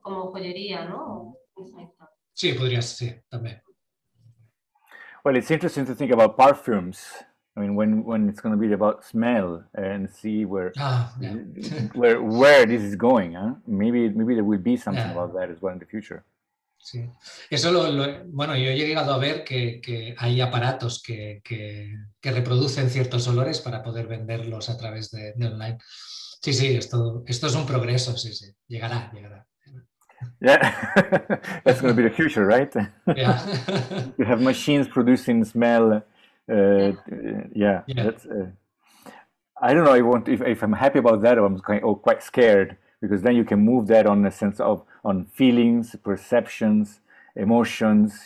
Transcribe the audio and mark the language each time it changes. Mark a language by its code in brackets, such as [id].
[es] Como joyería, no? Sí, podría ser también. [en] Well, it's interesting to think about perfumes. I mean, when it's going to be about smell and see where this is going, ¿eh? Maybe there will be something about that as well in the future. [es] Sí, eso bueno, yo he llegado a ver que hay aparatos que reproducen ciertos olores para poder venderlos a través de online. Sí, sí, esto es un progreso, sí, sí, llegará. [en] Yeah, that's going to be the future, right? Yeah. You have machines producing smell. That's, I don't know if I'm happy about that or I'm quite scared, because then you can move that on a sense of on feelings, perceptions, emotions.